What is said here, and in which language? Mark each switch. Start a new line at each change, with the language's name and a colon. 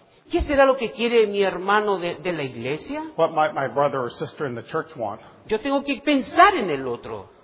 Spanish: ¿Qué será lo que quiere mi hermano de la iglesia?
English: What might my brother or sister in the church want?
Spanish: Yo tengo que pensar en el otro.